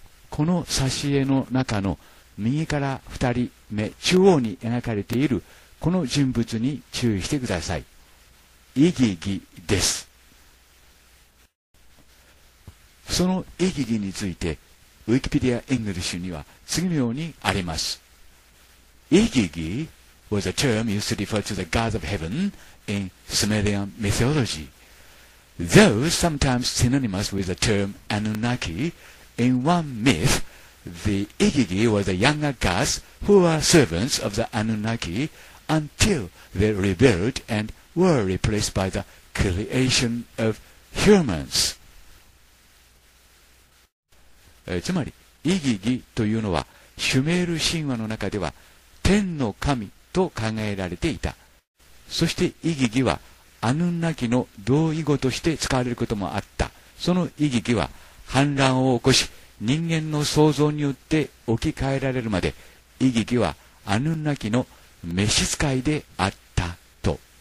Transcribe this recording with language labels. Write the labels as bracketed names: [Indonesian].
[Japanese] この挿絵の中の右から2人目中央に描かれているこの人物に注意してください。イギギです。そのイギギについてウィキペディア・イングリッシュには次のようにあります。 [English] イギギ was a term used to refer to the gods of heaven in Sumerian mythology, though sometimes synonymous with the term Anunnaki. In one myth, the Igigi were the younger gods who were servants of the Anunnaki until they rebelled and were replaced by the creation of humans. [Japanese] つまり、イギギというのはシュメール神話の中では天の神と考えられていた。そしてイギギはアヌンナキの同意語として使われることもあった。そのイギギは反乱を起こし、人間の創造によって置き換えられるまで、イギギはアヌンナキの召使いであったと。